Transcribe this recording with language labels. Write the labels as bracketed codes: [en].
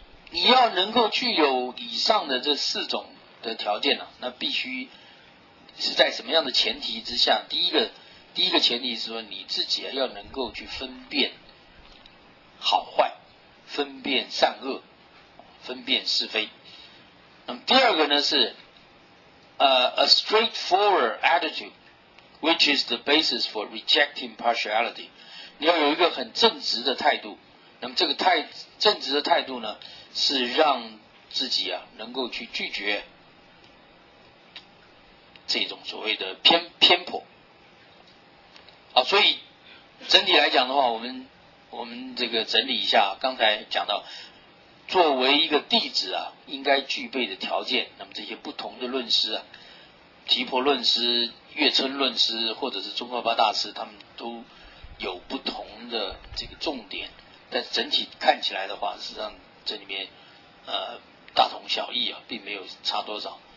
[zh] 你要能够具有以上的这四种的条件呢，那必须是在什么样的前提之下？第一个前提是说你自己要能够去分辨好坏，分辨善恶，分辨是非。那么第二个呢是 [en] a straightforward attitude which is the basis for rejecting partiality。 [zh] 你要有一个很正直的态度，那么这个正直的态度呢是让自己啊能够去拒绝这种所谓的偏颇。好，所以整体来讲的话，我们这个整理一下，刚才讲到作为一个弟子啊应该具备的条件，那么这些不同的论师啊，提婆论师、月称论师或者是中阿巴大师，他们都有不同的这个重点，但整体看起来的话，实际上这里面大同小异啊，并没有差多少。